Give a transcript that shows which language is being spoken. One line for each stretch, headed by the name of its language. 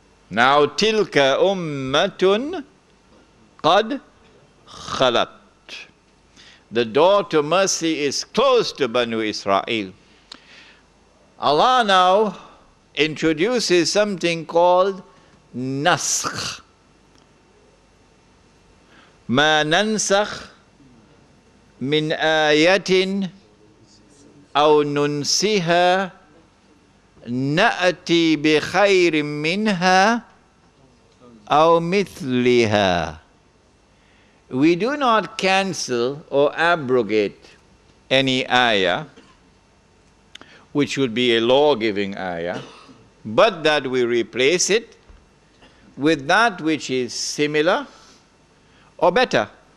Arabic: Now tilka ummatun qad khalat.
English: The door to mercy is closed to Banu Israel. Allah now introduces something called nasakh.
Arabic: ما ننسخ من آية أو ننسها نأتي بخير منها أو مثلها.
English: We do not cancel or abrogate any ayah, which would be a law-giving ayah, but that we replace it with that which is similar or better.